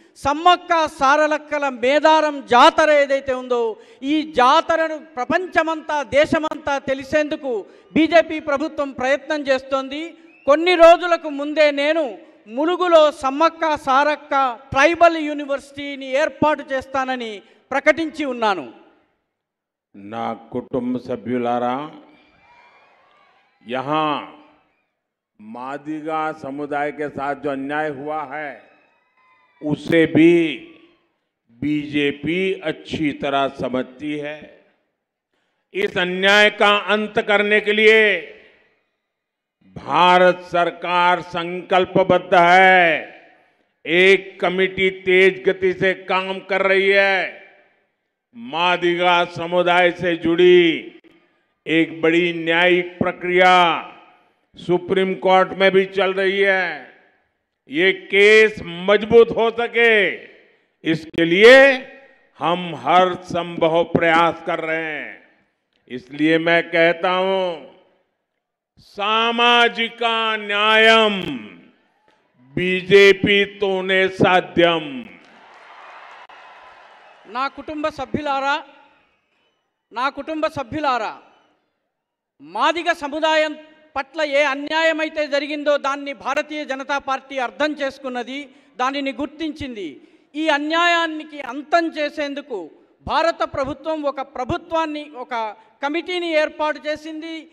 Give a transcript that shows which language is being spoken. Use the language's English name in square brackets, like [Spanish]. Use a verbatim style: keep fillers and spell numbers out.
[Telugu] సమ్మక్క సారలక్కల మేదారం జాతర ఏదైతే ఉందో, ఈ జాతరను ప్రపంచమంతా, దేశమంతా తెలిసేందుకు బీజేపీ ప్రభుత్వం ప్రయత్నం చేస్తోంది. కొన్ని రోజులకు ముందే నేను ములుగులో సమ్మక్క సారక్క ట్రైబల్ యూనివర్సిటీని ఏర్పాటు చేస్తానని ప్రకటించి ఉన్నాను. నా కుటుంబ సభ్యులారా, [Hindi] యహా మాదిగా समुदाय के साथ जो अन्याय हुआ है उसे भी बीजेपी अच्छी तरह समझती है। इस अन्याय का अंत करने के लिए भारत सरकार संकल्पबद्ध है। एक कमेटी तेज गति से काम कर रही है। मादिगा समुदाय से जुड़ी एक बड़ी न्यायिक प्रक्रिया सुप्रीम कोर्ट में भी चल रही है। ये केस मजबूत हो सके, इसके लिए हम हर संभव प्रयास कर रहे हैं। इसलिए मैं कहता हूं, [Telugu] సామాజిక న్యాయం బీజేపీతోనే సాధ్యం. నా కుటుంబ సభ్యులారా, నా కుటుంబ సభ్యులారా, మాదిగ సముదాయం పట్ల ఏ అన్యాయం అయితే జరిగిందో దాన్ని భారతీయ జనతా పార్టీ అర్థం చేసుకున్నది, దానిని గుర్తించింది. ఈ అన్యాయానికి అంతం చేసేందుకు భారత ప్రభుత్వం ఒక ప్రభుత్వాన్ని ఒక కమిటీని ఏర్పాటు చేసింది.